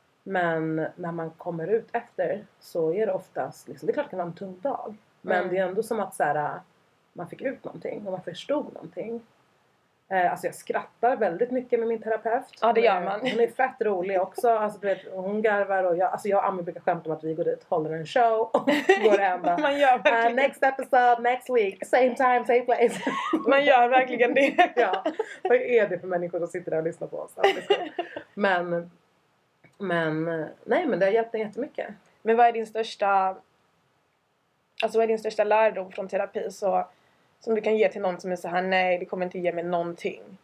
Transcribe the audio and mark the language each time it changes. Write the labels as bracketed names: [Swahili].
[Swedish] Men när man kommer ut efter så är det oftast liksom, det är klart det kan vara en tung dag. Men det är ändå som att så här man fick ut någonting och man förstod någonting. Alltså jag skrattar väldigt mycket med min terapeut. Ja, det gör man. Hon är fett rolig också. Alltså, vet, hon garvar och jag, alltså jag och Ami brukar skämta om att vi går dit, håller en show och går hem. Man gör verkligen. [English] Next episode, next week, same time, same place. [Swedish] Man gör verkligen det. Ja. Vad är det för människor som sitter där och lyssnar på oss? Men nej, men det har hjälpt mig jättemycket. Men vad är din största... Alltså vad är din största lärdom från terapi så, som du kan ge till någon som är så här nej, det kommer inte ge mig någonting?